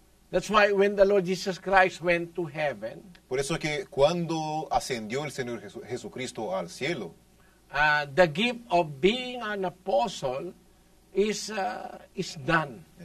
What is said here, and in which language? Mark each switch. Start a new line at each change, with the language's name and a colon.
English: That's why when the Lord Jesus Christ went to heaven,
Spanish: por eso es que cuando ascendió el Señor Jesucristo al cielo,
English: the gift of being an apostle is done.